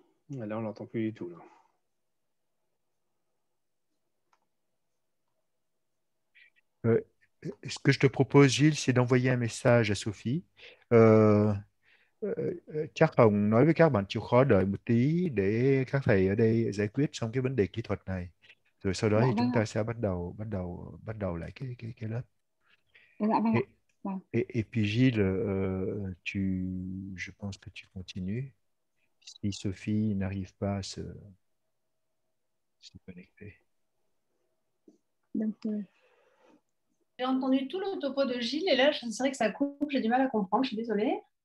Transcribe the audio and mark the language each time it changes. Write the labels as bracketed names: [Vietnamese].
[French] Là, on l'entend plus du tout. Là. Ce que je te propose, Gilles, c'est d'envoyer un message à Sophie. [Vietnamese] Chắc Hồng nói với các bạn chịu khó đợi một tí để các thầy ở đây giải quyết xong cái vấn đề kỹ thuật này. Rồi sau đó thì chúng ta sẽ bắt đầu lại cái lớp. [French] Et puis Gilles, je pense que tu continues. Si Sophie n'arrive pas à se connecter. J'ai entendu tout le topo de Gilles et là, c'est vrai que ça coupe, j'ai du mal à comprendre, je suis désolée.